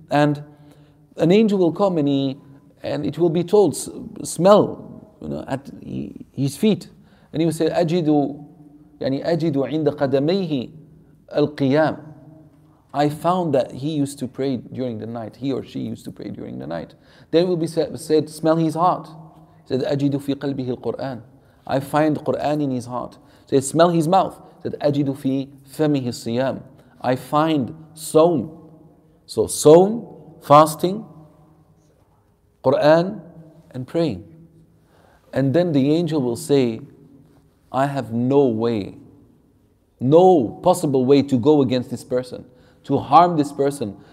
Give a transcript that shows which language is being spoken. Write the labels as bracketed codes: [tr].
[en] And an angel will come and it will be told, smell, you know, at his feet. And he will say, [ar] أَجِدُ عِنْدَ قَدَمَيْهِ الْقِيَامِ. [en] I found that he used to pray during the night, he or she used to pray during the night. Then it will be said, smell his heart. He said, [ar] أَجِدُ فِي قَلْبِهِ الْقُرْآنِ. [en] I find Qur'an in his heart. He said, smell his mouth. That [ar] أَجِدُ فِي فَمِهِ الصِّيَامِ. [en] I find sawm. So sawm, fasting, Qur'an, and praying. And then the angel will say, I have no way, no possible way to go against this person, to harm this person.